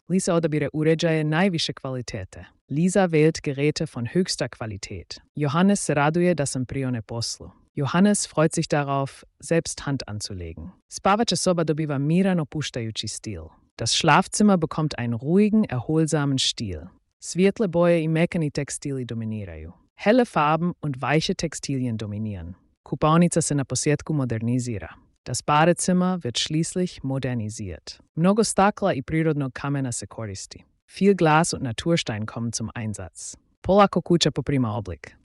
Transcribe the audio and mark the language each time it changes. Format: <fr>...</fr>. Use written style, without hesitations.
<hr>Lisa odabire uređaje najviše kvalitete.</hr> <de>Lisa wählt Geräte von höchster Qualität.</de> <hr>Johannes se raduje da sam prione poslu.</hr> <de>Johannes freut sich darauf, selbst Hand anzulegen.</de> <hr>Spavača soba dobiva miran opuštajući stil.</hr> <de>Das Schlafzimmer bekommt einen ruhigen, erholsamen Stil.</de> <hr>Svjetle boje i mekani tekstili dominiraju.</hr> <de>Helle Farben und weiche Textilien dominieren.</de> <hr>Kupaonica se na posjetku modernizira.</hr> <de>Das Badezimmer wird schließlich modernisiert.</de> <hr>Mnogo stakla i prirodnog kamena se koristi.</hr> <de>Viel Glas und Naturstein kommen zum Einsatz.</de> <hr>Polako kuća poprima oblik.</hr>